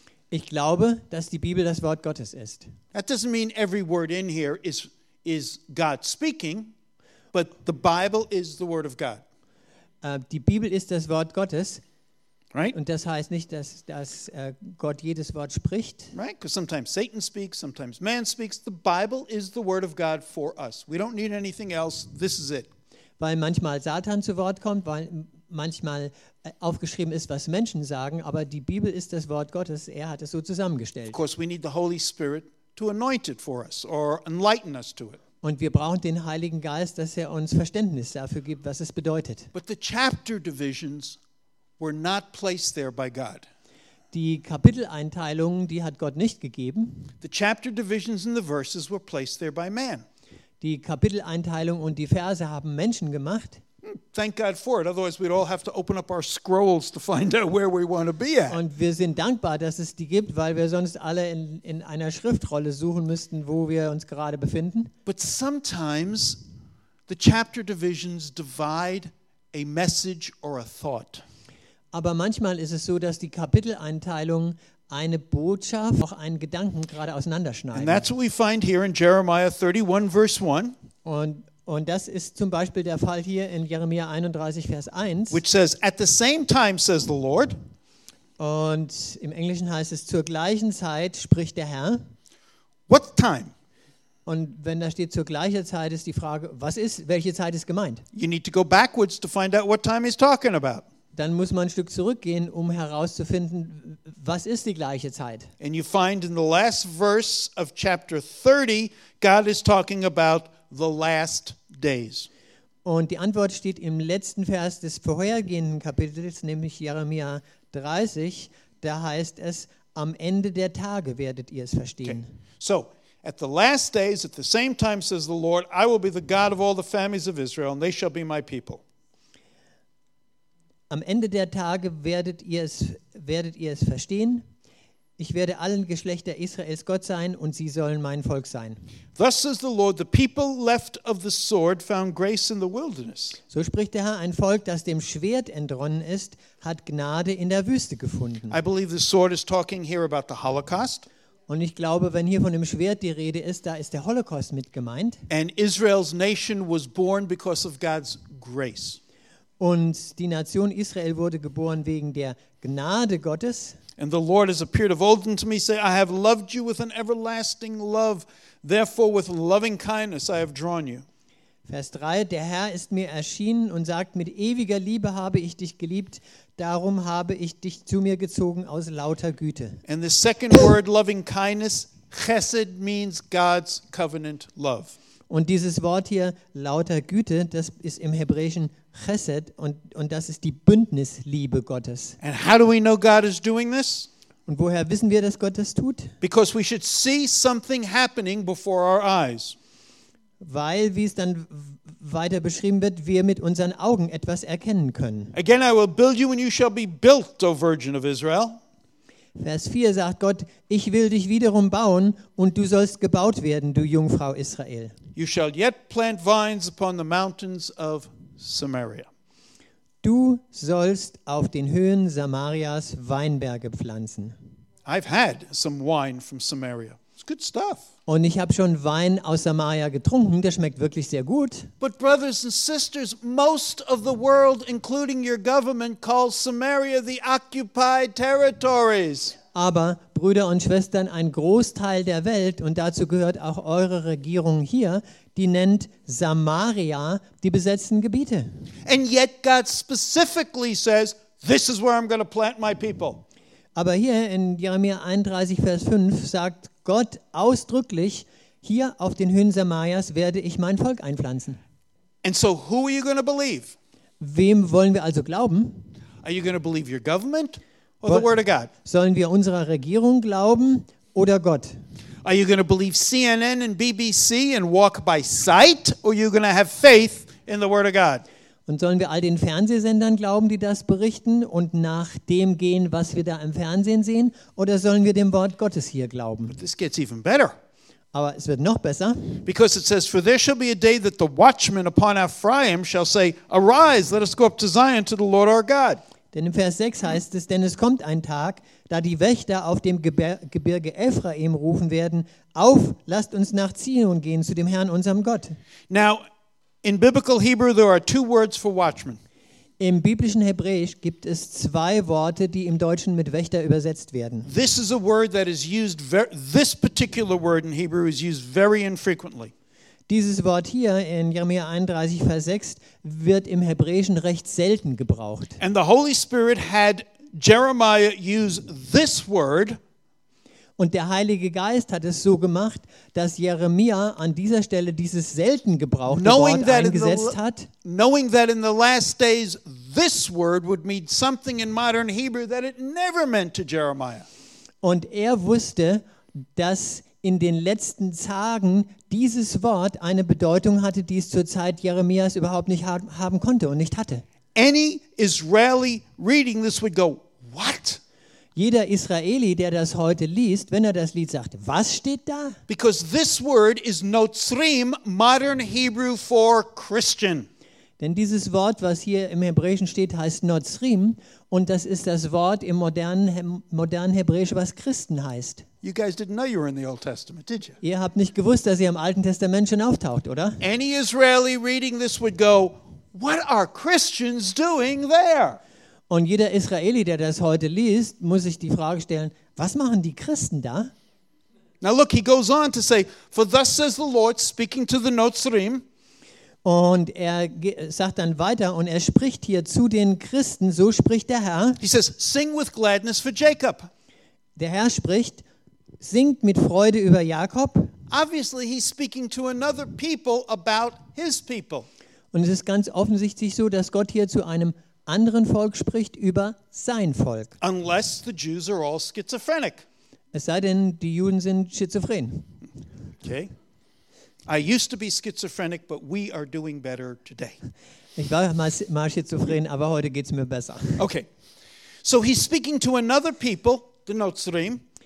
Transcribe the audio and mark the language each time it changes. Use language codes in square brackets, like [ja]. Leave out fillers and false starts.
[de] Ich glaube, dass die Bibel das Wort Gottes ist. [en] That doesn't mean every word in here is God speaking, but the Bible is the word of God. [de] Die Bibel ist das Wort Gottes. [en] Right? [de] Und das heißt nicht, dass Gott jedes Wort spricht. [en] Right? Because sometimes Satan speaks, sometimes man speaks. The Bible is the word of God for us. We don't need anything else. This is it. [de] Weil manchmal Satan zu Wort kommt, weil manchmal aufgeschrieben ist, was Menschen sagen, aber die Bibel ist das Wort Gottes. Er hat es so zusammengestellt. [en] Of course, we need the Holy Spirit to anoint it for us or enlighten us to it. [de] Und wir brauchen den Heiligen Geist, dass er uns Verständnis dafür gibt, was es bedeutet. [en] But the chapter divisions were not placed there by God. [de] Die Kapiteleinteilungen, die hat Gott nicht gegeben. [en] The chapter divisions and the verses were placed there by man. [de] Die Kapiteleinteilung und die Verse haben Menschen gemacht. [en] Thank God for it. Otherwise, we'd all have to open up our scrolls to find out where we want to be at. [de] Und wir sind dankbar, dass es die gibt, weil wir sonst alle in einer Schriftrolle suchen müssten, wo wir uns gerade befinden. [en] But sometimes the chapter divisions divide a message or a thought. [de] Aber manchmal ist es so, dass die Kapiteleinteilung eine Botschaft, auch einen Gedanken gerade auseinanderschneiden. [en] And that's what we find here in Jeremiah 31, verse 1. [de] Und das ist zum Beispiel der Fall hier in Jeremia 31, Vers 1. [en] Which says, at the same time, says the Lord. [de] Und im Englischen heißt es, zur gleichen Zeit spricht der Herr. [en] What time? [de] Und wenn da steht, zur gleichen Zeit, ist die Frage, was ist, welche Zeit ist gemeint? [en] You need to go backwards to find out what time he's talking about. [de] Dann muss man ein Stück zurückgehen, um herauszufinden, was ist die gleiche Zeit. [en] And you find in the last verse of chapter 30, God is talking about the last days. [de] Und die Antwort steht im letzten Vers des vorhergehenden Kapitels, nämlich Jeremia 30, da heißt es, am Ende der Tage werdet ihr es verstehen. [en] Okay. So, at the last days, at the same time, says the Lord, I will be the God of all the families of Israel, and they shall be my people. [de] Am Ende der Tage werdet ihr es verstehen. Ich werde allen Geschlechter Israels Gott sein und sie sollen mein Volk sein. [en] Thus says the Lord, the people left of the sword found grace in the wilderness. [de] So spricht der Herr, ein Volk, das dem Schwert entronnen ist, hat Gnade in der Wüste gefunden. [en] I believe the sword is talking here about the Holocaust. [de] Und ich glaube, wenn hier von dem Schwert die Rede ist, da ist der Holocaust mit gemeint. [en] And Israel's nation was born because of God's grace. [de] Und die Nation Israel wurde geboren wegen der Gnade Gottes. [en] And the Lord has appeared of old unto me, say, I have loved you with an everlasting love. Therefore, with loving kindness, I have drawn you. [de] Vers 3, der Herr ist mir erschienen und sagt, mit ewiger Liebe habe ich dich geliebt. Darum habe ich dich zu mir gezogen aus lauter Güte. [en] And the second word, loving kindness, chesed, means God's covenant love. [de] Und dieses Wort hier, lauter Güte, das ist im Hebräischen Chesed und das ist die Bündnisliebe Gottes. [en] And how do we know God is doing this? [de] Und woher wissen wir, dass Gott das tut? [en] Because we should see something happening before our eyes. [de] Weil, wie es dann weiter beschrieben wird, wir mit unseren Augen etwas erkennen können. [en] Again, I will build you and you shall be built, O Virgin of Israel. [de] Vers 4 sagt Gott, ich will dich wiederum bauen und du sollst gebaut werden, du Jungfrau Israel. [en] You shall yet plant vines upon the mountains of Samaria. [de] Du sollst auf den Höhen Samarias Weinberge pflanzen. [en] I've had some wine from Samaria. It's good stuff. [de] Und ich habe schon Wein aus Samaria getrunken, der schmeckt wirklich sehr gut. [en] But brothers and sisters, most of the world, including your government, calls Samaria the occupied territories. [de] Aber Brüder und Schwestern, ein Großteil der Welt, und dazu gehört auch eure Regierung hier, die nennt Samaria die besetzten Gebiete. [en] And yet God specifically says, this is where I'm going to plant my people. [de] Aber hier in Jeremia 31, Vers 5 sagt Gott ausdrücklich, hier auf den Höhen Samarias werde ich mein Volk einpflanzen. [en] And so who are you going to believe? [de] Wem wollen wir also glauben? [en] Are you going to believe your government or the word of God? [de] Sollen wir unserer Regierung glauben oder Gott? [en] Are you going to believe CNN and BBC and walk by sight or are you going to have faith in the word of God? [de] Und sollen wir all den Fernsehsendern glauben, die das berichten und nach dem gehen, was wir da im Fernsehen sehen? Oder sollen wir dem Wort Gottes hier glauben? [en] But this gets even better. [de] Aber es wird noch besser. [en] Because it says, for there shall be a day that the watchman upon Ephraim shall say, arise, let us go up to Zion to the Lord our God. [de] Denn im Vers 6 heißt es, denn es kommt ein Tag, da die Wächter auf dem Gebirge Ephraim rufen werden, auf, lasst uns nach Zion gehen zu dem Herrn, unserem Gott. [en] Now, in biblical Hebrew, there are two words for watchmen. [de] Im biblischen Hebräisch gibt es zwei Worte, die im Deutschen mit Wächter übersetzt werden. [en] This is a word that is used, this particular word in Hebrew is used very infrequently. [de] Dieses Wort hier in Jeremia 31, Vers 6 wird im Hebräischen recht selten gebraucht. [en] And the Holy Spirit had Jeremiah use this word. [de] Und der Heilige Geist hat es so gemacht, dass Jeremia an dieser Stelle dieses selten gebrauchte Wort eingesetzt hat. [en] Knowing that in the last days this word would mean something in modern Hebrew that it never meant to Jeremiah. [de] Und er wusste, dass in den letzten Tagen dieses Wort eine Bedeutung hatte, die es zur Zeit Jeremias überhaupt nicht haben konnte und nicht hatte. [en] Any Israeli reading this would go, what? [de] Jeder Israeli, der das heute liest, wenn er das Lied sagt, was steht da? [en] Because this word is Nozrim, modern Hebrew for Christian. [de] Denn dieses Wort, was hier im Hebräischen steht, heißt Nozrim und das ist das Wort im modernen Hebräisch, was Christen heißt. [en] You guys didn't know you were in the Old Testament, did you? [de] Ihr habt nicht gewusst, dass ihr im Alten Testament schon auftaucht, oder? [en] Any Israeli reading this would go, what are Christians doing there? [de] Und jeder Israeli, der das heute liest, muss sich die Frage stellen, was machen die Christen da? [en] Now look, he goes on to say, for thus says the Lord, speaking to the Nozrim. [de] Und er sagt dann weiter und er spricht hier zu den Christen, so spricht der Herr. [en] He says, sing with gladness for Jacob. [de] Der Herr spricht, singt mit Freude über Jakob. [en] Obviously he's speaking to another people about his people. [de] Und es ist ganz offensichtlich so, dass Gott hier zu einem anderen Volk spricht über sein Volk. [en] Unless the Jews are all schizophrenic. [de] Es sei denn, die Juden sind schizophren. [en] Okay. I used to be schizophrenic, but we are doing better today. [de] Ich war mal schizophren, aber heute geht's mir besser. [en] Okay. So he's speaking to another people, the Nozrim.